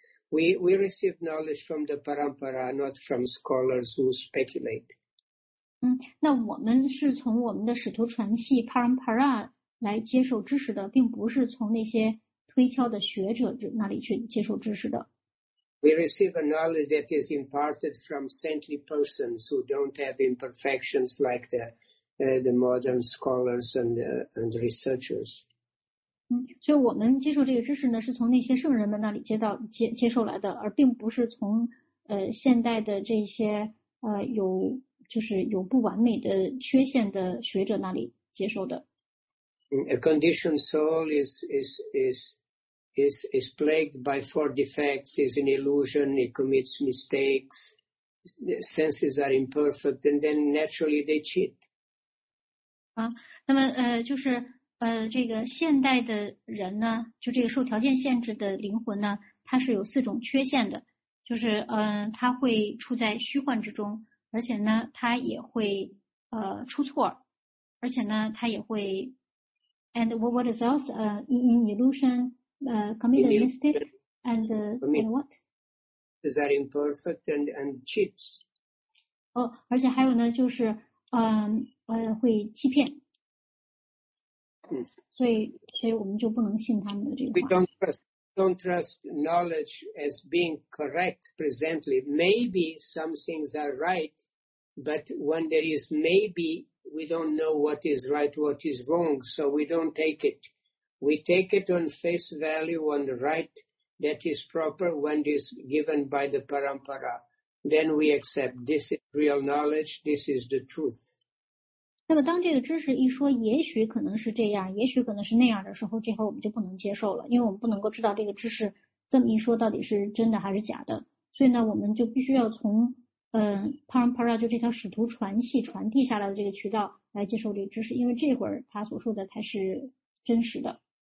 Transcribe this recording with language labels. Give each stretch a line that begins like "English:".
English: We receive knowledge from the parampara, not from scholars who speculate.
Chinese: 那我们是从我们的使徒传系 parampara 来接受知识的，并不是从那些推敲的学者那里去接受知识的。
English: We receive a knowledge that is imparted from saintly persons who don't have imperfections like the modern scholars and researchers.
Chinese: 所以我们接受这个知识呢，是从那些圣人们那里接受来的，而并不是从现代的这些有就是有不完美的缺陷的学者那里接受的。
English: A conditioned soul is plagued by four defects, is an illusion, it commits mistakes, the senses are imperfect, and then naturally they cheat.
Chinese: 那么就是这个现代的人呢，就这个受条件限制的灵魂呢，它是有四种缺陷的，就是它会处在虚幻之中。而且呢，他也会出错，而且呢，他也会 ，
English: and what is else in illusion commit a mistake and what? Is that imperfect and cheats?
Chinese: 而且还有呢，就是会欺骗。所以我们就不能信他们的这个话。
English: We don't trust knowledge as being correct presently. Maybe some things are right. But when there is maybe, we don't know what is right, what is wrong, so we don't take it. We take it on face value, on the right that is proper when it is given by the parampara. Then we accept this is real knowledge, this is the truth.
Chinese: 那么当这个知识一说，也许可能是这样，也许可能是那样的时候，这回我们就不能接受了，因为我们不能够知道这个知识这么一说到底是真的还是假的。所以呢，我们就必须要从parampara 就这条使徒传系传递下来的这个渠道来接受这个知识，因为这会儿他所说的才是真实的。